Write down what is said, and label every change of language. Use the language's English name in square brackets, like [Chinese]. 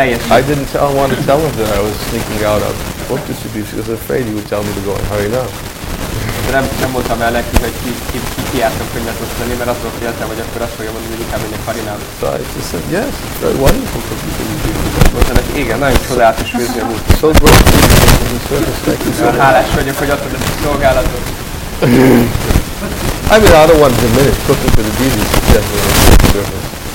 [English] I didn't want to tell him that I was sneaking out of book distribution because I was afraid he would tell me to go and hurry up. [Hungarian] Nem mondtam el neki, hogy kiálltam könyvet osztani, mert azt féltem, hogy akkor azt fogja mondani, hogy inkább menjek harinába. [English] So I just said, yes, very wonderful for people to do. [Hungarian] Mondtam neki, igen, nagyon csodálatos vízni a múlt. [English] So great for you for this service, thank you so much. [Hungarian] Hálás vagyok, hogy adtad ezt a szolgálatot. [English] I mean, I don't want to diminish cooking for the deities, but yes, we're going to do service.